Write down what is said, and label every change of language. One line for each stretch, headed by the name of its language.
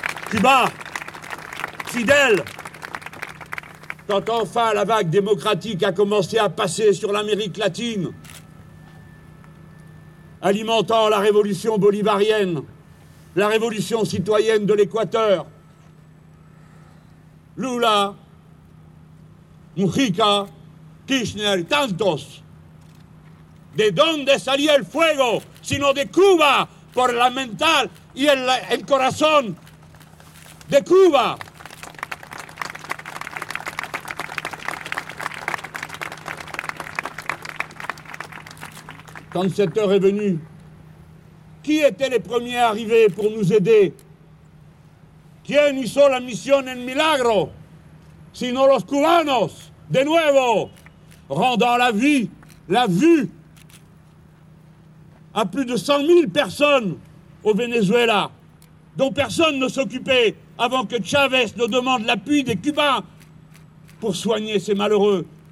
French: Cuba, Fidel, quand enfin la vague démocratique a commencé à passer sur l'Amérique latine, alimentant la révolution bolivarienne, la révolution citoyenne de l'Équateur, Lula, Mujica, Kirchner,
Spanish: tantos. ¿De dónde salía el fuego? Sino de Cuba, por la mental y el corazón de Cuba.
French: Quand cette heure est venue, qui étaient les premiers arrivés pour nous aider?
Spanish: ¿Quién hizo la misión en milagro? Sino los cubanos, de nuevo,
French: rendant la vie, la vue, à plus de 100 000 personnes au Venezuela, dont personne ne s'occupait avant que Chavez ne demande l'appui des Cubains pour soigner ces malheureux.